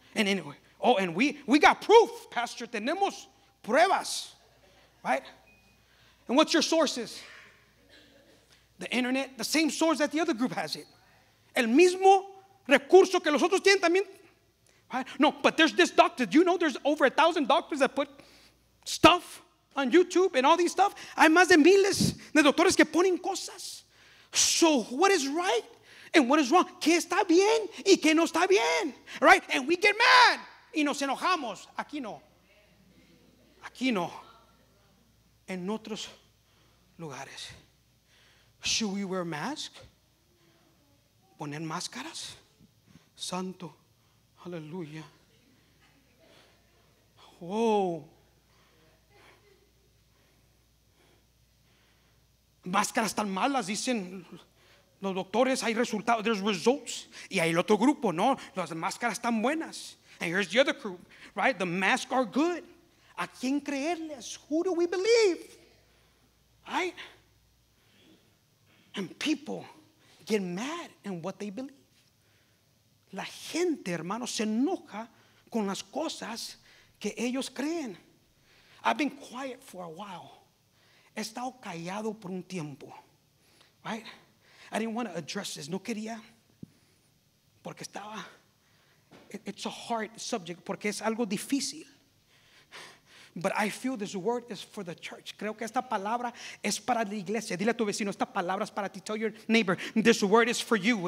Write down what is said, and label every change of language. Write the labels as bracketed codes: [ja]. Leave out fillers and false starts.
[en] And anyway, oh, and we got proof, Pastor. [es] Tenemos pruebas, [en] right? And what's your sources? The internet, the same source that the other group has it. [es] El mismo recurso que los otros tienen también. [en] Right? No, but there's this doctor. Do you know there's over 1,000 doctors that put stuff on YouTube and all these stuff? [es] Hay más de miles de doctores que ponen cosas. [en] So what is right? And what is wrong? [es] ¿Qué está bien y qué no está bien? Right? [en] And we get mad. [es] Y nos enojamos. Aquí no. Aquí no. En otros lugares. [en] Should we wear masks? [es] ¿Poner máscaras? Santo. Aleluya. Oh. Máscaras tan malas, dicen los doctores, hay resultados, [en] there's results. [es] Y hay el otro grupo, no, las máscaras están buenas. [en] And here's the other group, right? The masks are good. [es] ¿A quién creerles? [en] Who do we believe? Right? And people get mad in what they believe. [es] La gente, hermano, se enoja con las cosas que ellos creen. [en] I've been quiet for a while. [es] He estado callado por un tiempo. [en] Right? I didn't want to address this. [es] No quería. Porque estaba. [en] It's a hard subject. [es] Porque es algo difícil. [en] But I feel this word is for the church. [es] Creo que esta palabra es para la iglesia. Dile a tu vecino, esta palabra es para ti. [en] Tell your neighbor, this word is for you.